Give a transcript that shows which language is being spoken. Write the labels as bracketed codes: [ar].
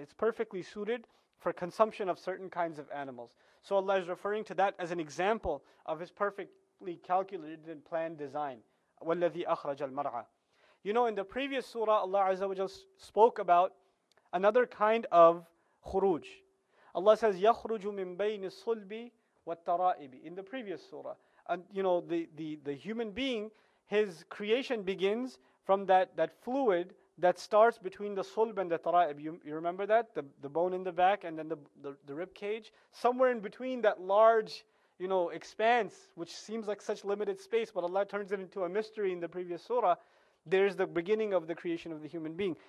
[en] It's perfectly suited for consumption of certain kinds of animals. So Allah is referring to that as an example of His perfectly calculated and planned design. [ar] وَالَّذِي أَخْرَجَ الْمَرْعَى. [en] You know, in the previous surah, Allah Azza wa Jalla spoke about another kind of khuruj. Allah says, [ar] يَخْرُجُ مِن بَيْنِ الصُّلْبِ وَالتَّرَائِبِ. [en] In the previous surah, and you know, the human being, his creation begins from that fluid that starts between the sulb and the tara'ib. You remember that? The bone in the back and then the rib cage. Somewhere in between that large, you know, expanse, which seems like such limited space, but Allah turns it into a mystery in the previous surah, there's the beginning of the creation of the human being.